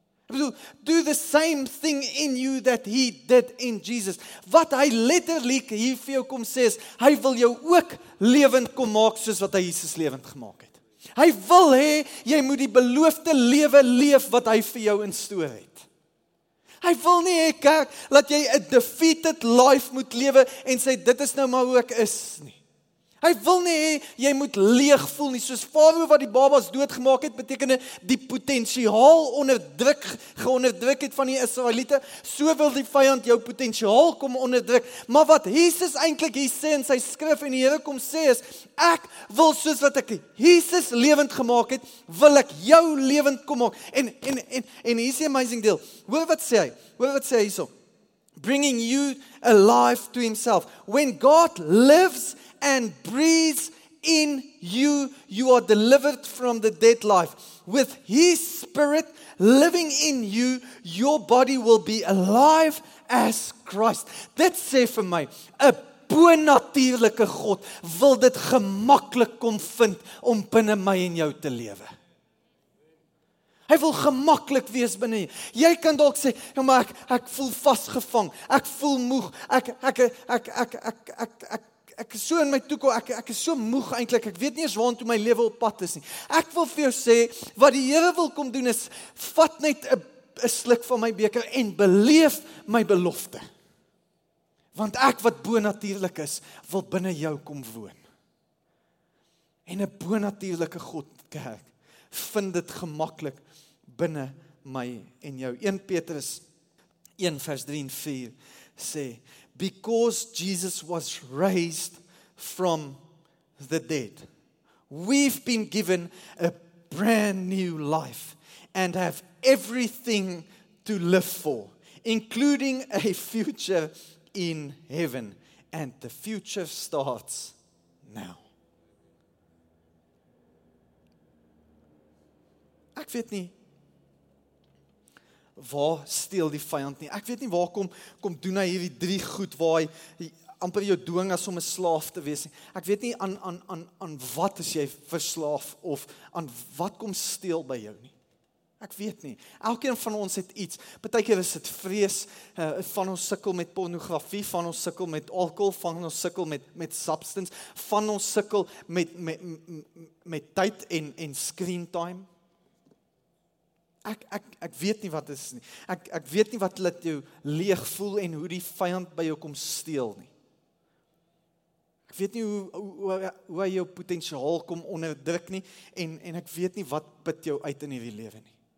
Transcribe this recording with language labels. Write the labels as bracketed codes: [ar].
[af] Ek bedoel, [en] do the same thing in you that he did in Jesus. [af] Wat hy letterlik hier vir jou kom sê is, hy wil jou ook lewend kom maak soos wat hy Jesus lewend gemaak het. Hy wil hê, jy moet die beloofde lewe leef wat hy vir jou instoor het. Hy wil nie hê, kerk, dat jy 'n defeated life moet lewe en sê, dit is nou maar hoe ek is nie. Hy wil nie hê, jy moet leeg voel nie, soos Farao wat die babas doodgemaak het, beteken die potensiaal geonderdruk het van die Israeliete, so wil die vijand jou potensiaal kom onderdruk, maar wat Jesus eintlik hier sê in sy skrif en die Here kom sê is, ek wil soos wat ek Jesus lewend gemaak het, wil ek jou lewend kom maak, en hier is die amazing deel, hoor wat sê hy hierso, [en] bringing you alive to himself, when God lives and breathes in you, you are delivered from the dead life. With his spirit living in you, your body will be alive as Christ. [af] Dit sê vir my, 'n bonatuurlike God wil dit gemaklik kom vind om binne my en jou te lewe. Hy wil gemaklik wees binne jy. Jy kan dalk sê, ja, maar ek voel vasgevang, ek voel moeg, ek is so in my toekoms, ek is so moeg eintlik, ek weet nie eens waar toe my lewe op pad is nie. Ek wil vir jou sê, wat die Here wil kom doen is, vat net 'n sluk van my beker en beleef my belofte. Want ek wat bonatuurlik is, wil binne jou kom woon. En 'n bonatuurlike God, kerk, vind dit gemaklik binne my en jou. 1 Petrus 1 vers 3 en 4 sê, [en] Because Jesus was raised from the dead, we've been given a brand new life and have everything to live for, including a future in heaven. And the future starts now. [af] Ek weet nie. Waar steel die vijand nie? Ek weet nie waar kom doen hy hierdie drie goed waar hy amper jou dwing as om 'n slaaf te wees nie. Ek weet nie aan wat is jy verslaaf of aan wat kom steel by jou nie. Ek weet nie. Elkeen van ons het iets. Partykeer is dit vrees, van ons sukkel met pornografie, van ons sukkel met alkohol, van ons sukkel met substance, van ons sukkel met tyd en screen time. Ek weet nie wat is nie. Ek weet nie wat laat jou leeg voel en hoe die vijand by jou kom steel nie. Ek weet nie hoe hy jou potensiaal kom onderdruk nie en ek weet nie wat put jou uit in hierdie lewe nie.